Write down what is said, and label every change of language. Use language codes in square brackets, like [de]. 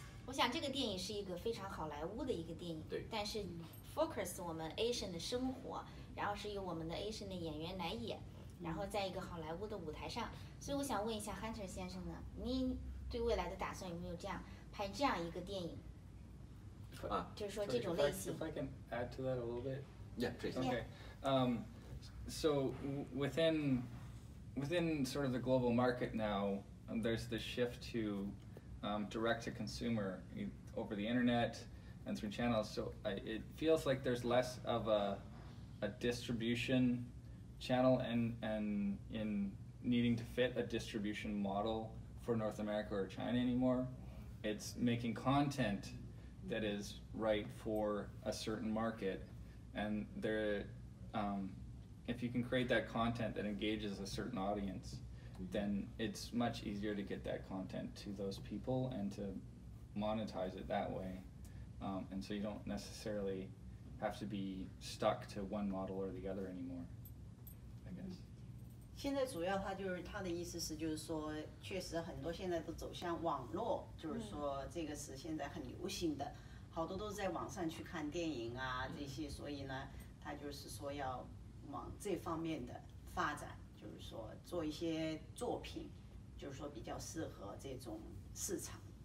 [zh] 我想这个电影是一个非常好莱坞的一个电影，对，但是 focus 我们 Asian 的生活，然后是由我们的 Asian 的演员来演，然后在一个好莱坞的舞台上。所以我想问一下 Hunter 先生呢，你对未来的打算有没有这样拍这样一个电影？就是说这种类型。 [en] If I can add to that a little bit. Yeah, please. Okay. So within sort of the global market now, there's this shift to direct to consumer over the internet and through channels. So it feels like there's less of a distribution channel and in needing to fit a distribution model for North America or China anymore. It's making content that is right for a certain market, and there, if you can create that content that engages a certain audience, then it's much easier to get that content to those people and to monetize it that way. And so you don't necessarily have to be stuck to one model or the other anymore, I guess. [zh] 现在主要他的意思是就是说确实很多现在都走向网络，就是说这个是现在很流行的，好多都是在网上去看电影啊这些，所以呢他就是说要往这方面的发展，就是说做一些作品，就是说比较适合这种市场。